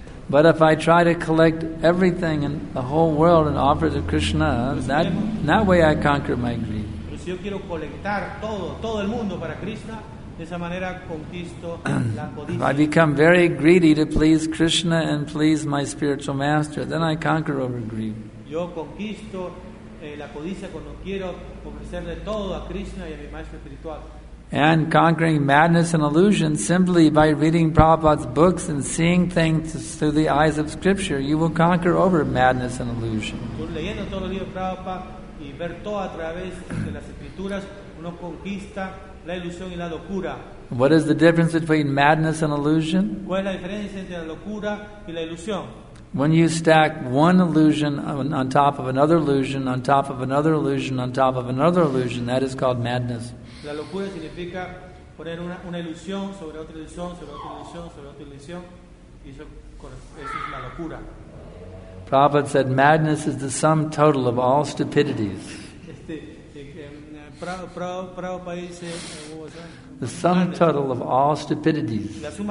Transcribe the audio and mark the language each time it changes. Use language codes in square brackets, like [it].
[en] But if I try to collect everything in the whole world and offer to Krishna, that way I conquer my greed. [es] Si yo quiero colectar todo el mundo para Krishna, de esa manera conquisto la codicia. [en] I become very greedy to please Krishna and please my spiritual master, then I conquer over greed. [es] Yo conquisto la codicia cuando quiero ofrecerle todo a Krishna y a mi maestro espiritual. [en] And conquering madness and illusion simply by reading Prabhupada's books and seeing things through the eyes of scripture, you will conquer over madness and illusion. [es] Leyendo todos los libros de Prabhupada y ver todo a través de las escrituras, uno conquista la ilusión y la locura. [en] What is the difference between madness and illusion? [es] ¿Cuál es la diferencia entre la locura y la ilusión? [en] When you stack one illusion on top of another illusion, on top of another illusion, on top of another illusion, that is called madness. [es] La locura significa poner una ilusión sobre otra ilusión, sobre otra ilusión, sobre otra ilusión, y eso es la locura. [en] Prabhupada said, madness is the sum total of all stupidities. The sum total of all stupidities.